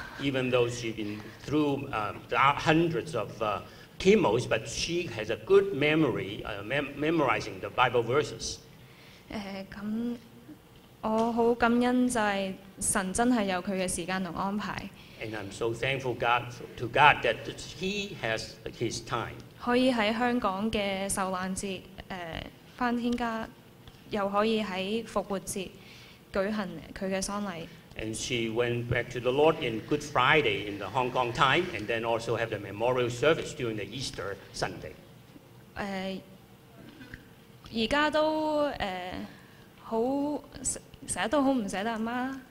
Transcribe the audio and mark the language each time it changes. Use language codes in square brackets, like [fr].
[en] Even though she's been through hundreds of chemos, but she has a good memory, memorizing the Bible verses. [yue] 咁我好感恩就係神真係有佢嘅時間同安排。 [en] And I'm so thankful to God that He has His time. [yue] 可以喺香港嘅受難節翻天家，又可以喺復活節舉行佢嘅喪禮。 [en] And she went back to the Lord in Good Friday in the Hong Kong time, and then also have the memorial service during the Easter Sunday. [yue] 而家都好成日都好唔捨得阿媽。